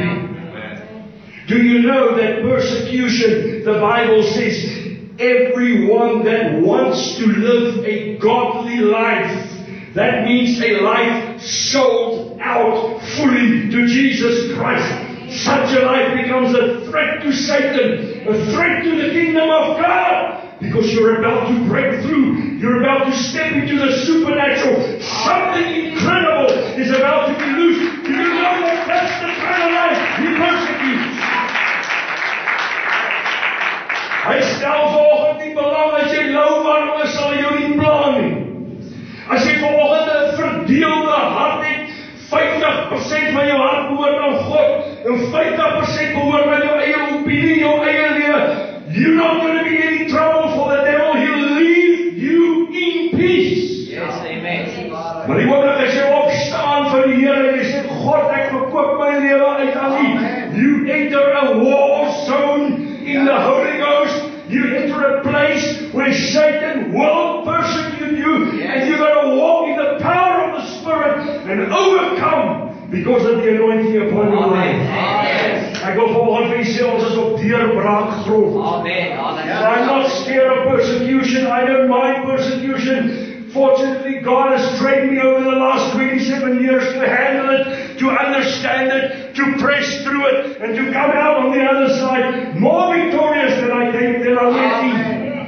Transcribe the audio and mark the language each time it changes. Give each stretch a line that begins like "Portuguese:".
English: Amen. Do you know that persecution, the Bible says, everyone that wants to live a godly life, that means a life sold out fully to Jesus Christ, such a life becomes a threat to Satan, a threat to the kingdom of God. Because you're about to break through. You're about to step into the supernatural. Something incredible is about to be loose. Do you know that that's the kind of life he persecutes?
Afrikaans: Hy stel vanoggend nie belang as jy lou warm is, sal jou nie pla nie. As jy vanoggend 'n verdeelde hart het, 50% van jou hart behoort aan God, en 50% behoort aan jou eie opinie, jou eie lewe,
English: you're not going to be any trouble for the devil. He'll leave you in peace. Yes, amen.
Afrikaans: Maar die oomblik as jy opstaan vir die Here en jy sê, God, ek verkoop my lewe uit aan U.
English: You enter a war zone in the Holy Ghost. You enter a place where Satan will persecute you. And you're going to walk in the power of the Spirit and overcome because of the anointing upon your life.
Afrikaans: Ek wil vanoggend vir julle sê, ons is op deurbraak grond.
English: Amen. I'm not scared of persecution. I don't mind persecution. Fortunately, God has trained me over the last 27 years to handle it, to understand it, to press through it, and to come out on the other side more victorious than I came than I went in.